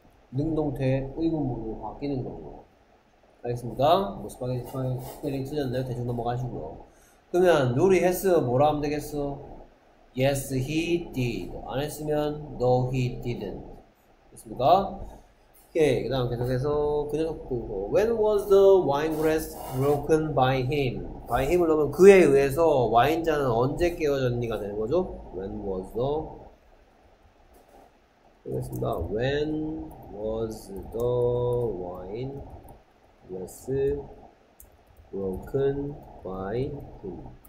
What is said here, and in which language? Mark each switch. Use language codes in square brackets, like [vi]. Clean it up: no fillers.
[ko] 능동태 의문문으로 바뀌는 거고. 알겠습니다. 뭐 스파게티 쓰셨네요. 대충 넘어가시고요. 그러면 요리했어 뭐라 하면 되겠어? [en] Yes, he did. [ko] 안 했으면 [en] no, he didn't. [ko] 됐습니까? 오케이. 그 다음 계속해서 그 녀석 보고. [en] When was the wine glass broken by him? By him [ko] 을 넣으면 그에 의해서 와인잔은 언제 깨어졌니가 되는 거죠? [en] When was the. [ko] 알겠습니다. [en] When was the wine glass broken by him?